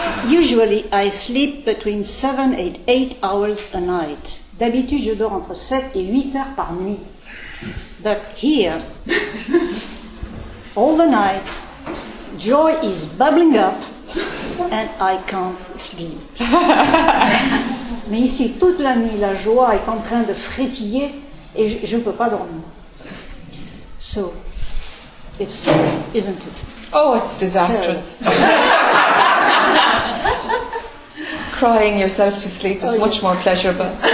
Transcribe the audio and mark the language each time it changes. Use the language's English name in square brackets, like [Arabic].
[English] Usually, I sleep between 7 and 8 hours a night. [French] D'habitude, je dors entre 7 et 8 heures par nuit. [English] But here, all the night, joy is bubbling up, and I can't sleep. [French] Mais ici, toute la nuit, la joie est en train de frétiller, et je ne peux pas dormir. [English] So, it's isn't it? Oh, it's disastrous. Crying yourself to sleep is much more pleasurable.